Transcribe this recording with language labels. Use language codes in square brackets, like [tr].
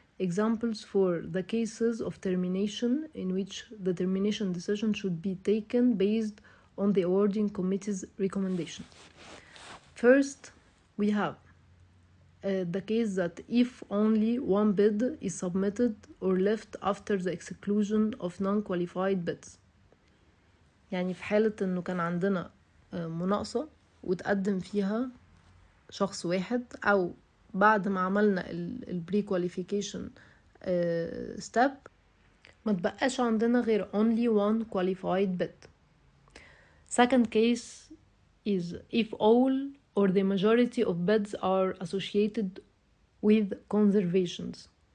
[en] Examples for the cases of termination in which the termination decision should be taken based on the awarding committee's recommendation. First, we have the case that if only one bid is submitted or left after the exclusion of non-qualified bids. [ar] يعني في حالة انه كان عندنا مناقصة وتقدم فيها شخص واحد، او بعد ما عملنا pre-qualification step ما تبقاش عندنا غير [en] only one qualified bid. Second case is if all or the majority of bids are associated with conservations.